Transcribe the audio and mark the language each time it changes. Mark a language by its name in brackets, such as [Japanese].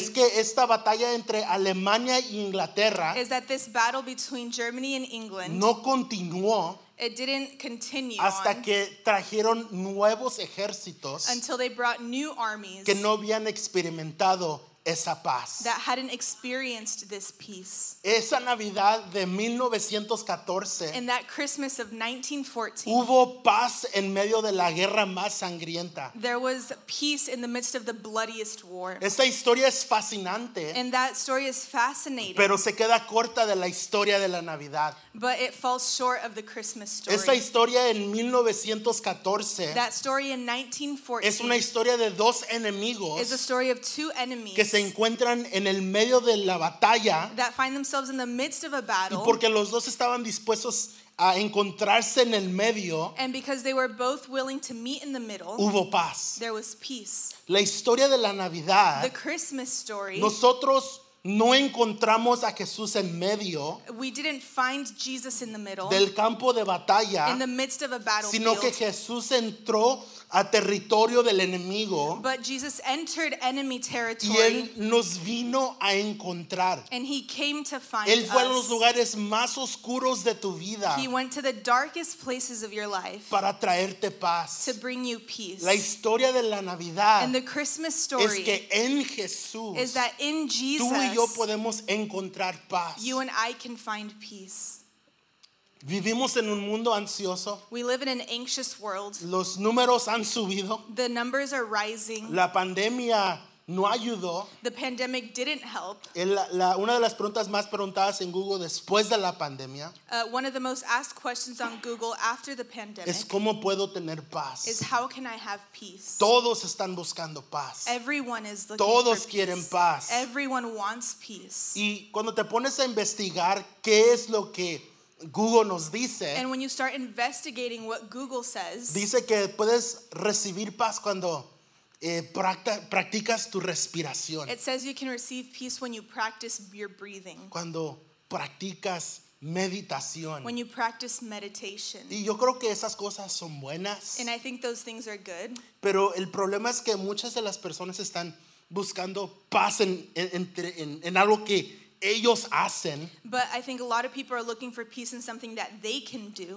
[Spanish] es que esta batalla entre Alemania y Inglaterra, [English] is that this battle between Germany and England, [Spanish] no continuó, [English] it didn't continue, [Spanish] hasta [English] on, [Spanish] que trajeron nuevos ejércitos, [English] until they brought new armies, [Spanish] que no habían experimentado esa paz, [English] that hadn't experienced this peace. [Spanish] Esa Navidad de 1914, [English] in that Christmas of 1914, [Spanish] hubo paz en medio de la guerra más sangrienta. [English] There was peace in the midst of the bloodiest war. [Spanish] Esta historia es fascinante, [English] and that story is fascinating, [Spanish] pero se queda corta de la historia de la Navidad. [English] But it falls short of the Christmas story. [Spanish] Esta historia en 1914, [English] that story in 1914, [Spanish] es una historia de dos enemigos, [English] is a story of two enemies, [Spanish] que se encuentran en el medio de la batalla, [English] that find themselves in the midst of a battle, [Spanish] y porque los dos estaban dispuestos a encontrarse en el medio, [English] and because they were both willing to meet in the middle, [Spanish] hubo paz. [English] There was peace. [Spanish] La historia de la Navidad, [English] the Christmas story, [Spanish] nosotros no encontramos a Jesús en medio, [English] we didn't find Jesus in the middle, [Spanish] del campo de batalla, [English] in the midst of a battlefield, [Spanish] sino que Jesús entró a territorio del enemigo, [English] but Jesus entered enemy territory, [Spanish] y él nos vino a encontrar, [English] and he came to find us. [Spanish] Él fue [English] us. [Spanish] A los lugares más oscuros de tu vida, [English] he went to the darkest places of your life, [Spanish] para traerte paz, [English] to bring you peace. [Spanish] La historia de la Navidad, [English] and the Christmas story, [Spanish] es que en Jesús, [English] is that in Jesus, [Spanish] tú y yo podemos encontrar paz. [English] You and I can find peace. [Spanish] Vivimos en un mundo ansioso. [English] We live in an anxious world. [Spanish] Los números han subido. [English] The numbers are rising. [Spanish] La pandemia No ayudó. [English] The pandemic didn't help. [Spanish] Una de las preguntas más preguntadas en Google después de la pandemia. [English] One of the most asked questions on Google after the pandemic. [Spanish] Es cómo puedo tener paz. [English] Is how can I have peace? [Spanish] Todos están buscando paz. [English] Everyone is looking [Spanish] Todos [English] for peace. [Spanish] Todos quieren paz. [English] Everyone wants peace. [Spanish] Y cuando te pones a investigar qué es lo que Google nos dice. [English] And when you start investigating what Google says. [Spanish] Dice que puedes recibir paz cuando practicas tu respiración. [English] It says you can receive peace when you practice your breathing. [Spanish] Cuando practicas meditación. [English] When you practice meditation. [Spanish] Y yo creo que esas cosas son buenas. [English] And I think those things are good. [Spanish] Pero el problema es que muchas de las personas están buscando paz en algo que ellos hacen. [English] But I think a lot of people are looking for peace in something that they can do.